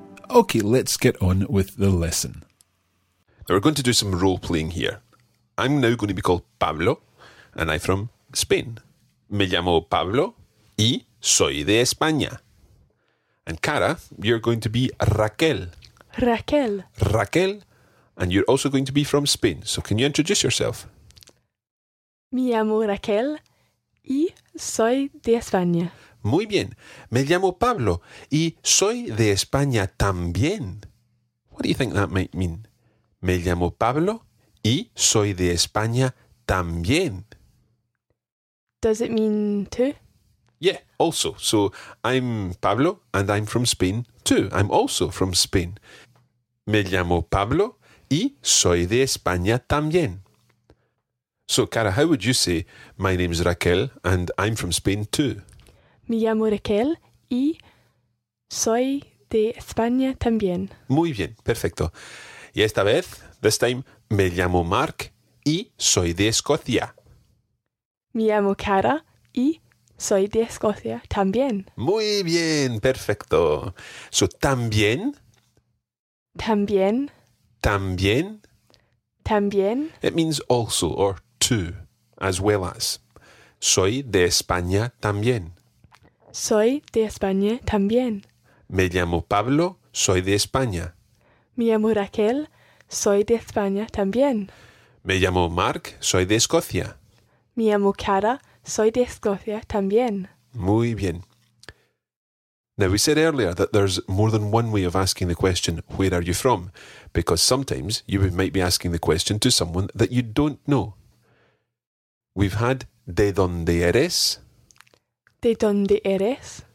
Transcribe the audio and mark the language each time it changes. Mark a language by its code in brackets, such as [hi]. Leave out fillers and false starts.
[en] Okay, let's get on with the lesson. Now we're going to do some role playing here. I'm now going to be called Pablo, and I'm from Spain. [es] Me llamo Pablo y soy de España. [en] And Cara, you're going to be Raquel. Raquel. Raquel, and you're also going to be from Spain. So can you introduce yourself? [es] Me llamo Raquel y soy de España. Muy bien. Me llamo Pablo y soy de España también. [en] What do you think that might mean? [es] Me llamo Pablo y soy de España también. [en] Does it mean too? Yeah, also. So I'm Pablo and I'm from Spain too. I'm also from Spain. [es] Me llamo Pablo y soy de España también. [en] So, Cara, how would you say, my name's Raquel and I'm from Spain too? [es] Me llamo Raquel y soy de España también. Muy bien, perfecto. Y esta vez, [en] this time, [es] me llamo Mark y soy de Escocia. Me llamo Cara y soy de Escocia también. Muy bien, perfecto. So, también. También. También. También. [en] It means also or to, as well as. [es] Soy de España también. Soy de España también. Me llamo Pablo, soy de España. Me llamo Raquel, soy de España también. Me llamo Mark, soy de Escocia. Me llamo Cara, soy de Escocia también. Muy bien. [en] Now, we said earlier that there's more than one way of asking the question, where are you from? Because sometimes you might be asking the question to someone that you don't know. We've had, [es] ¿de dónde eres? ¿De dónde eres?